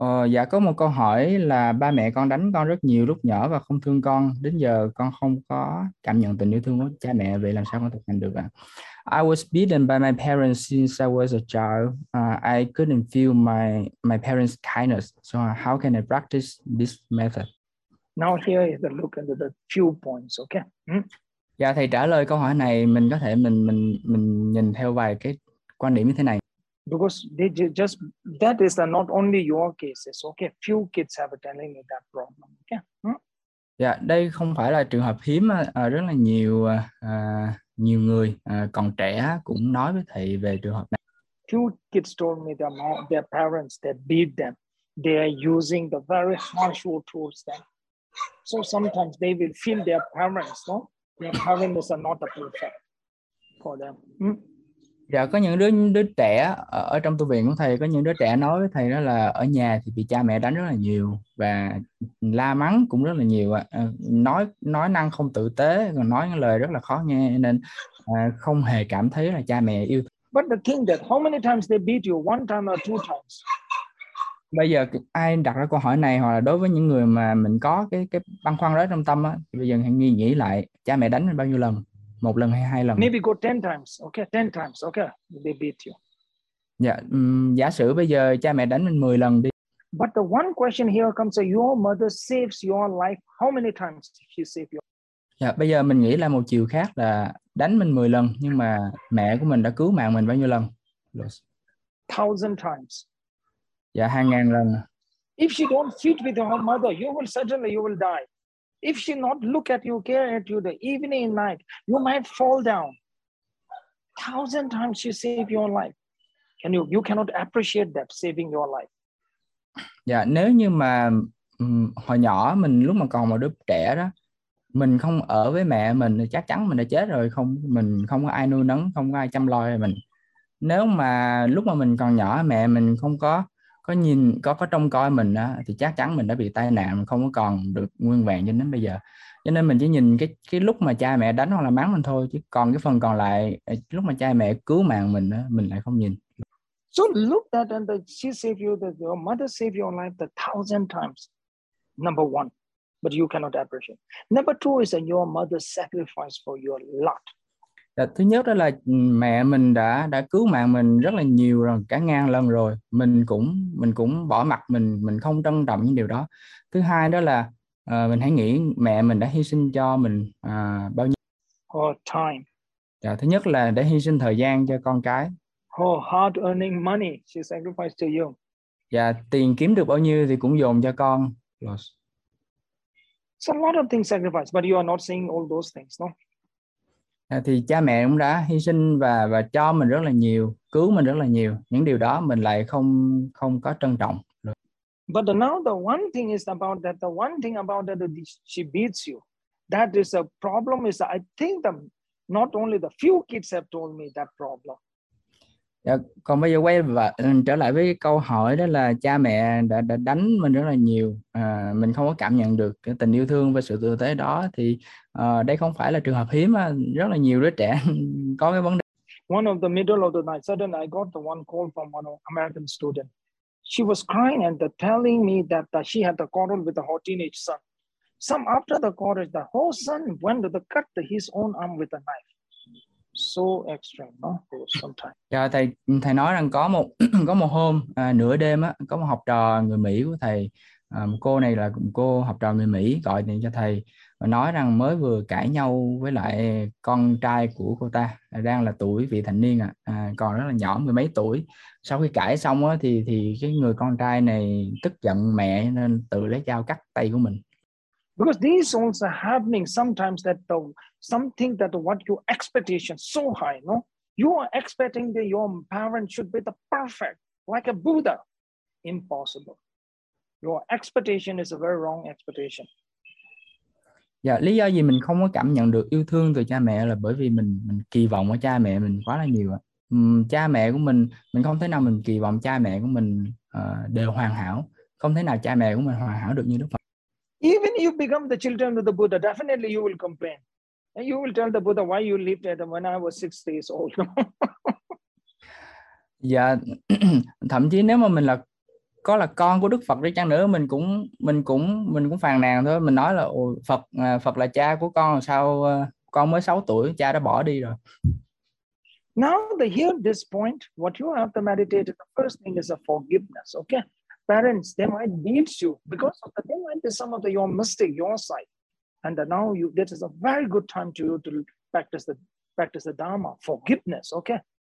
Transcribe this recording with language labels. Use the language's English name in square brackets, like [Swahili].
[Vietnamese] Dạ có một câu hỏi là ba mẹ con đánh con rất nhiều lúc nhỏ và không thương con. Đến giờ con không có cảm nhận tình yêu thương của cha mẹ, vậy làm sao con thực hành được ạ? [English] I was beaten by my parents since I was a child. I couldn't feel my parents' kindness. So how can I practice this method? Now here is a look into the few points, okay? [Vietnamese] Dạ thầy trả lời câu hỏi này mình có thể mình nhìn theo vài cái quan điểm như thế này. [English] Because they just that is not only your cases, okay? Few kids have a telling me that problem, okay? [Vietnamese] Dạ đây không phải là trường hợp hiếm, rất là nhiều nhiều người còn trẻ cũng nói với thầy về trường hợp này. [English] Few kids told me their parents they beat them, they are using the very harsh word towards them. So sometimes they will feel their parents, no? Their parents are not perfect for them. [Vietnamese] Dạ, có những đứa trẻ ở trong tu viện của thầy, có những đứa trẻ nói với thầy đó là ở nhà thì bị cha mẹ đánh rất là nhiều và la mắng cũng rất là nhiều ạ. Nói năng không tử tế, còn nói những lời rất là khó nghe nên không hề cảm thấy là cha mẹ yêu. [English] But the thing that how many times they beat you, one time or two times? [Vietnamese] Bây giờ ai đặt ra câu hỏi này hoặc là đối với những người mà mình có cái băn khoăn đó trong tâm á, thì bây giờ hãy nghĩ lại cha mẹ đánh mình bao nhiêu lần? Một lần hay hai lần? [English] Maybe go 10 times, okay, 10 times, okay, they beat you. [Vietnamese] Dạ, giả sử bây giờ cha mẹ đánh mình 10 lần đi. [English] But the one question here comes, your mother saves your life, how many times she save your life? [Vietnamese] Dạ, bây giờ mình nghĩ là một chiều khác là đánh mình 10 lần, nhưng mà mẹ của mình đã cứu mạng mình bao nhiêu lần? [English] 1,000 times. [Vietnamese] Dạ, hàng ngàn lần. [English] If she don't fit with her mother, you will suddenly die. If she not look at you, care at you the evening and night, you might fall down. 1,000 times she saved your life. Can you cannot appreciate that saving your life? [Vietnamese] Dạ, nếu như mà hồi nhỏ mình lúc mà còn một đứa trẻ đó, mình không ở với mẹ mình thì chắc chắn mình đã chết rồi, không mình không có ai nuôi nấng, không có ai chăm lo cho mình. Nếu mà lúc mà mình còn nhỏ mẹ mình không có có trông coi mình á, thì chắc chắn mình đã bị tai nạn, không có còn được nguyên vẹn cho đến bây giờ. Cho nên mình chỉ nhìn cái lúc mà cha mẹ đánh hoặc là mắng mình thôi, chứ còn cái phần còn lại lúc mà cha mẹ cứu mạng mình á, mình lại không nhìn. [English] So look that and the, she save you, that your mother save your life 1,000 times. Number one, but you cannot appreciate. Number two is that your mother sacrifice for your lot. [Vietnamese] Thứ nhất đó là mẹ mình đã cứu mạng mình rất là nhiều rồi, cả ngàn lần rồi, mình cũng bỏ mặc, mình không trân trọng những điều đó. Thứ hai đó là mình hãy nghĩ mẹ mình đã hy sinh cho mình bao nhiêu. [English] Her time. [Vietnamese] Dạ, thứ nhất là để hy sinh thời gian cho con cái. [English] Her hard earning money she sacrificed to you. [Vietnamese] Dạ, tiền kiếm được bao nhiêu thì cũng dồn cho con. [English] So a lot of things sacrificed, but you are not seeing all those things, no? [Vietnamese] Thì cha mẹ cũng đã hy sinh và cho mình rất là nhiều, cứu mình rất là nhiều, những điều đó mình lại không có trân trọng. [English] But now the one thing is about that, the one thing about that she beats you, that is a problem. Is I think the not only the few kids have told me that problem. [Vietnamese] Còn bây giờ quay trở lại với câu hỏi đó là cha mẹ đã đánh mình rất là nhiều, mình không có cảm nhận được cái tình yêu thương và sự tử tế đó, thì đây không phải là trường hợp hiếm, rất là nhiều đứa trẻ có cái vấn đề. [English] One of the middle of the night, suddenly I got the one call from one American student. She was crying and telling me that she had a quarrel with her teenage son. Some after the quarrel, the whole son went to cut his own arm with a knife. So extreme, no? Sometimes. [Vietnamese] Dạ, thầy nói rằng có một hôm nửa đêm á, có một học trò người Mỹ của thầy, một cô này là cô học trò người Mỹ gọi điện cho thầy và nói rằng mới vừa cãi nhau với lại con trai của cô ta, đang là tuổi vị thành niên còn rất là nhỏ, mười mấy tuổi. Sau khi cãi xong á thì cái người con trai này tức giận mẹ nên tự lấy dao cắt tay của mình. [English] Because these things are happening sometimes that the something that what your expectation so high, no? You are expecting that your parents should be the perfect, like a Buddha. Impossible. Your expectation is a very wrong expectation. [Vietnamese] Dạ, lý do gì mình không có cảm nhận được yêu thương từ cha mẹ là bởi vì mình kỳ vọng ở cha mẹ mình quá là nhiều. Cha mẹ của mình không thể nào mình kỳ vọng cha mẹ của mình đều hoàn hảo. Không thể nào cha mẹ của mình hoàn hảo được như Đức Phật. [English] Even you become the children of the Buddha, definitely you will complain. And you will tell the Buddha why you lived at when I was 6 days old. [Vietnamese] Dạ, thậm chí nếu mà mình là có là con của Đức Phật đi chăng nữa, mình cũng phàn nàn thôi. Mình nói là Phật Phật là cha của con, sao con mới 6 tuổi cha đã bỏ đi rồi. [English] Now they hear this point, what you have to meditate, the first thing is a forgiveness, okay? Parents, they might beat you because of the, they might be some of the, your mistake, your side. And now you, this is a very good time to you to practice the Dharma, forgiveness, okay?